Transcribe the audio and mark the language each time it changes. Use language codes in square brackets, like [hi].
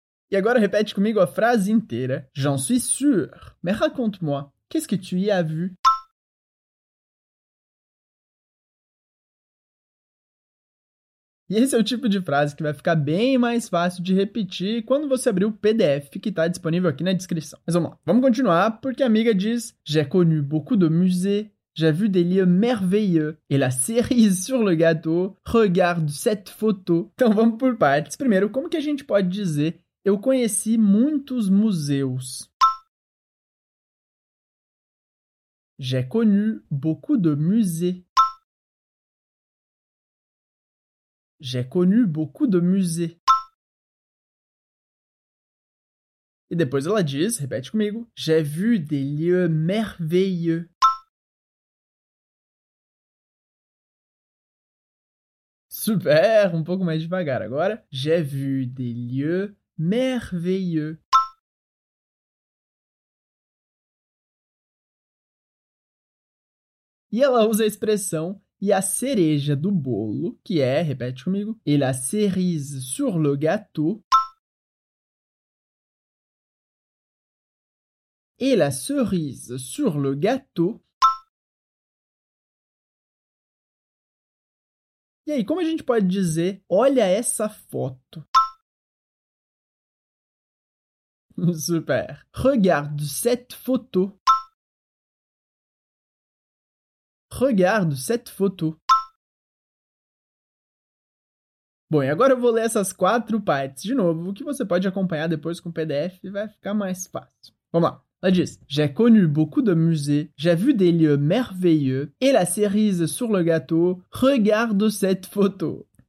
[pt] E agora repete comigo a frase inteira. [fr] J'en suis sûr. Mais raconte-moi. Qu'est-ce que tu y as vu? [pt] E esse é o tipo de frase que vai ficar bem mais fácil de repetir quando você abrir o PDF que está disponível aqui na descrição. Mas vamos lá. Vamos continuar, porque a amiga diz [fr] j'ai connu beaucoup de musées, j'ai vu des lieux merveilleux et la cerise sur le gâteau, regarde cette photo. [pt] Então vamos por partes. Primeiro, como que a gente pode dizer eu conheci muitos museus? [fr] J'ai connu beaucoup de musées. J'ai connu beaucoup de musées. [pt] E depois ela diz, repete comigo, [fr] j'ai vu des lieux merveilleux. [pt] Super, um pouco mais devagar agora. [fr] J'ai vu des lieux merveilleux. [pt] E ela usa a expressão e a cereja do bolo, que é, repete comigo, [fr] et la cerise sur le gâteau. Et la cerise sur le gâteau. [pt] E aí, como a gente pode dizer, olha essa foto? [fr] Super! Regarde cette photo. Regarde cette photo. [pt] Bom, e agora eu vou ler essas quatro partes de novo, que você pode acompanhar depois com o PDF e vai ficar mais fácil. Vamos lá. Ela diz, [fr] j'ai connu beaucoup de musées, j'ai vu des lieux merveilleux, et la cerise sur le gâteau, regarde cette photo.